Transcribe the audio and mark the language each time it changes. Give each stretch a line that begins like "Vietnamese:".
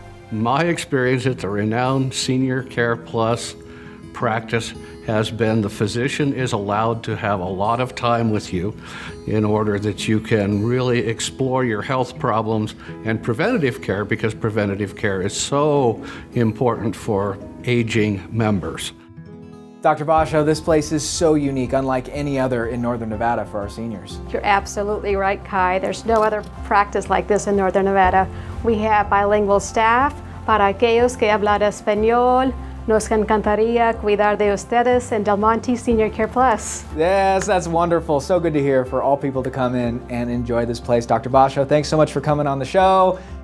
English: My experience at the Renown Senior Care Plus practice has been the physician is allowed to have a lot of time with you in order that you can really explore your health problems and preventative care, because preventative care is so important for aging members. Dr. Basho, this place is so unique, unlike any other in Northern Nevada for our seniors. You're absolutely right, Kai. There's no other practice like this in Northern Nevada. We have bilingual staff.
Spanish: Para aquellos que hablan español, nos encantaría cuidar de ustedes en Del Monte Senior Care Plus.
English: Yes, that's wonderful. So good to hear for all people to come in and enjoy this place. Dr. Basho, thanks so much for coming on the show.